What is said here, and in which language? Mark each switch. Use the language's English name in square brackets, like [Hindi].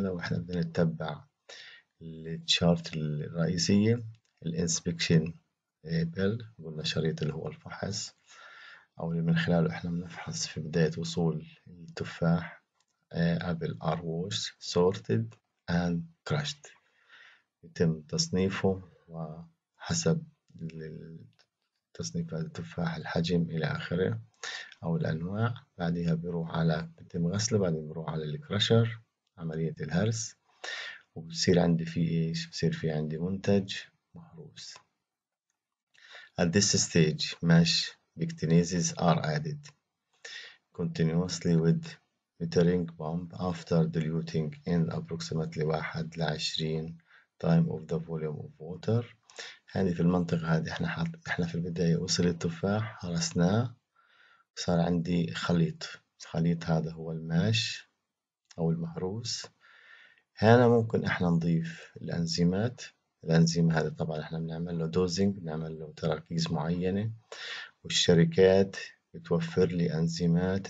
[Arabic] لو احنا بدنا نتبع التشارت الرئيسية، الانسبكشن بيل، قلنا شريط اللي هو الفحص، او اللي من خلاله احنا بنفحص في بداية وصول التفاح، [English] apple are washed sorted and crushed, [Arabic] يتم تصنيفه وحسب تصنيف التفاح، الحجم إلى آخره أو الأنواع. بعدها بيروح على، بيتم غسله، بعدين بيروح على الكراشر، عملية الهرس، وبصير عندي في إيش، بصير في عندي منتج مهروس. [English] At this stage, mesh bictinases are added continuously with metering pump after diluting in approximately 1:20 time of the volume of water. [Arabic] هذه في المنطقة هذه احنا في البداية وصل التفاح، هرسناه، صار عندي خليط. الخليط هذا هو الماش او المهروس. هنا ممكن احنا نضيف الانزيمات. الانزيم هذا طبعا احنا بنعمل له دوزنج، بنعمل له تركيز معينة، والشركات بتوفر لي انزيمات.